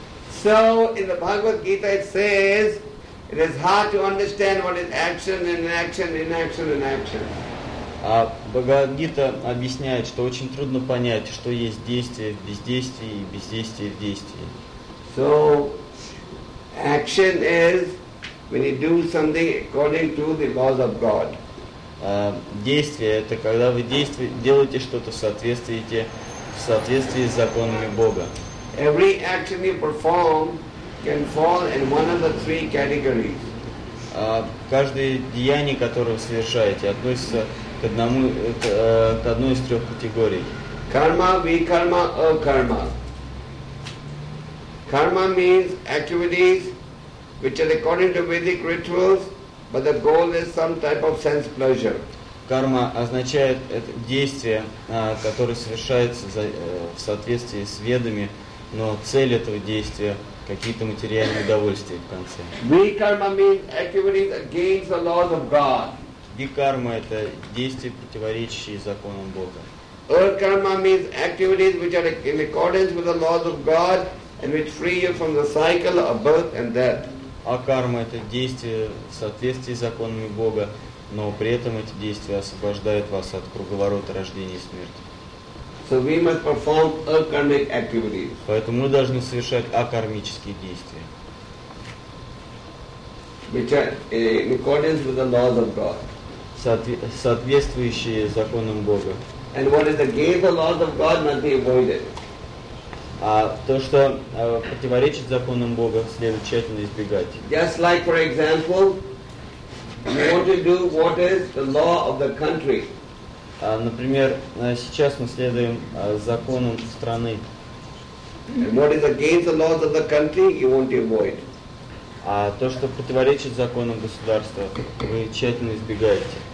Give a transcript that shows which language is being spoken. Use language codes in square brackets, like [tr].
[en] So in the Bhagavad Gita it says it is hard to understand what is action and inaction, inaction and action. [ru] А Бхагавад Гита объясняет, что очень трудно понять, что есть действие в бездействии и бездействие в действии. [en] So action is when you do something according to the laws of God. [ru] Действие — это когда вы делаете что-то в соответствии с законами Бога. [en] Every action you perform can fall in one of the three categories. [ru] Каждое деяние, которое вы совершаете, относится к одной из трех категорий. Карма, викарма, акарма. [en] Карма means activities which are according to Vedic rituals, but the goal is some type of sense pleasure. [ru] Карма означает действие, которое совершается в соответствии с ведами, но цель этого действия – какие-то материальные удовольствия в конце. [en] Викарма means activities against the laws of God. [ru] Викарма – это действия, противоречащие законам Бога. [en] Акарма means activities which are in accordance with the laws of God and which free you from the cycle of birth and death. [ru] Акарма – это действия в соответствии с законами Бога, но при этом эти действия освобождают вас от круговорота рождения и смерти. [en] So we must perform akarmic activities. [ru] Поэтому мы должны совершать акармические действия. [en] Which are in accordance with the laws of God. [ru] Соответствующие законам Бога. [en] And what is against the laws of God must be avoided. [ru] А то, что противоречит законам Бога, следует тщательно избегать. [en] Just like, for example, you want to do what is the law of the country. [ru] Например, сейчас мы следуем законам страны. [en] And what is against the laws of the country, you want to avoid. [ru] А то, что противоречит законам государства, вы тщательно избегаете.